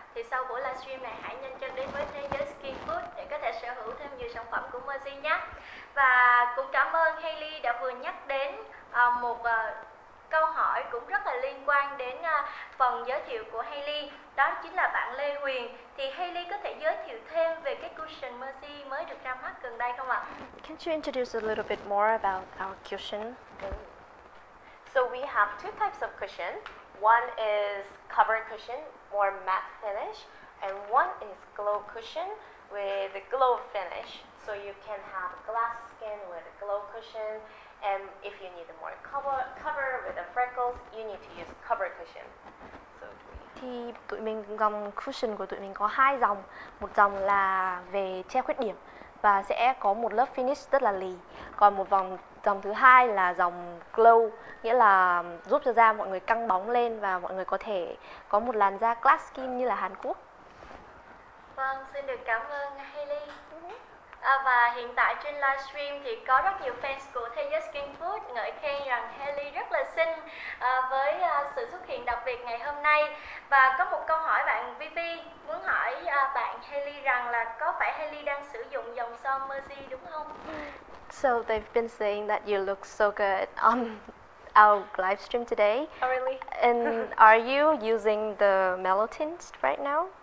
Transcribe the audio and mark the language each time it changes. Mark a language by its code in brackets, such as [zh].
[vi] Thì sau buổi livestream này hãy nhanh chân đến với thế giới Skin Food để có thể sở hữu thêm nhiều sản phẩm của Mercy nhé. Và cũng cảm ơn Hailey đã vừa nhắc đến một câu hỏi cũng rất là liên quan đến phần giới thiệu của Hailey, đó chính là bạn Lê Huyền. Thì Hailey có thể giới thiệu thêm về cái cushion Mercy mới được ra mắt gần đây không ạ? [en] Can you introduce a little bit more about our cushion? So we have two types of cushion. One is cover cushion or matte finish, and one is glow cushion with glow finish. So you can have glass skin with a glow cushion, and if you need more cover with the freckles, you need to use cover cushion. [vi] So thì tụi mình dòng cushion của tụi mình có hai dòng, một dòng là về che khuyết điểm và sẽ có một lớp finish rất là lì, còn một vòng dòng thứ hai là dòng glow, nghĩa là giúp cho da mọi người căng bóng lên và mọi người có thể có một làn da glass skin như là Hàn Quốc. Vâng, xin được cảm ơn Hailey. Và hiện tại trên livestream thì có rất nhiều fans của The Just Skin Food ngợi khen rằng Hailey rất là xinh với sự xuất hiện đặc biệt ngày hôm nay. Và có một câu hỏi bạn Vivi muốn hỏi bạn Hailey rằng là có phải Hailey đang sử dụng dòng son Mercy đúng không? [en] So they've been saying that you look so good on our live stream today. Oh really? And are you using the mellow tint right now?